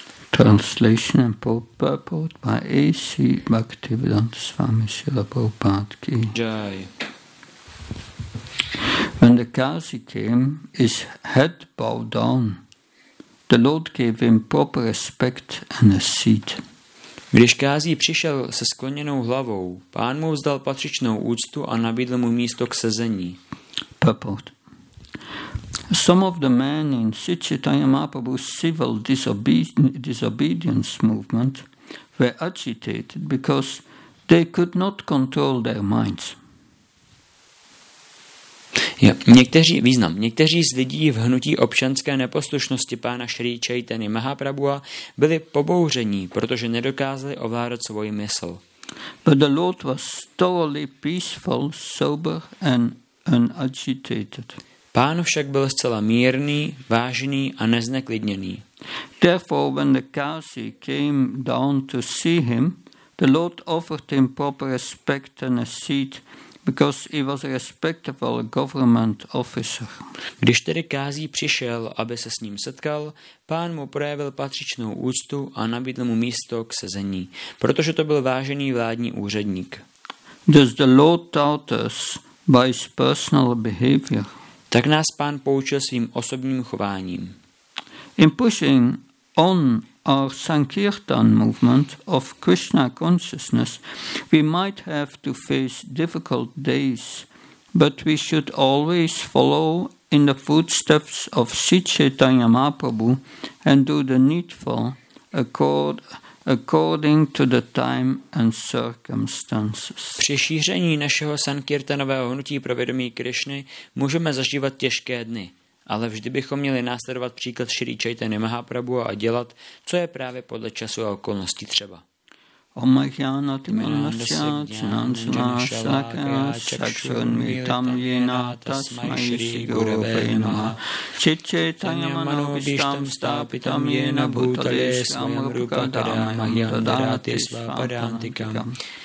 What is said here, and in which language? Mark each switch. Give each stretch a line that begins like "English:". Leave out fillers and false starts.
English: Translation and purport by A.C. Bhaktivedanta Swami Srila Prabhupada Ki. Jai. When the Kazi came, his head bowed down. The Lord gave him proper respect and a seat.
Czech: Když Kazi přišel se skloněnou hlavou, pán mu vzdal patřičnou úctu a nabídl mu místo k sezení.
English: Purport. Some of the men in Sri Chaitanya Mahaprabhu's civil disobedience movement were agitated because they could not control their minds.
Czech: Někteří z lidí v hnutí občanské neposlušnosti pána Sri Chaitany Mahaprabhua byli pobouření, protože nedokázali ovládat svoji mysl.
English: But the Lord was thoroughly peaceful, sober and unagitated.
Czech: Pán však byl zcela mírný, vážný a nezneklidněný.
English: Therefore, when the Kazi came down to see him, the Lord offered him proper respect and a seat, because he was a respectable government officer.
Czech: Když tedy Kazi přišel, aby se s ním setkal, pán mu projevil patřičnou úctu a nabídl mu místo k sezení, protože to byl vážený vládní úředník.
English: Does the Lord doubt us? By his personal behavior.
Czech: Tak nás Pán poučil svým osobním chováním.
English: In pushing on our Sankirtan movement of Krishna consciousness, we might have to face difficult days, but we should always follow in the footsteps of Sri Chaitanya Mahaprabhu and do the needful according to the time and circumstances.
Czech: Při šíření našeho sankirtanového hnutí pro vědomí Krišny můžeme zažívat těžké dny, ale vždy bychom měli následovat příklad Sri Chaitanya Mahaprabhu a dělat, co je právě podle času a okolností třeba.
Sanskrit: Om Mahyana Timanasya Chinansana Shakana Chakshun Mitam Yena Tasmai Shri Gurave Namaha Chichetanya Mano Vishtam Stapitam Yena Bhutale Sam Rupa Dhamma Yadarati Svaparantikam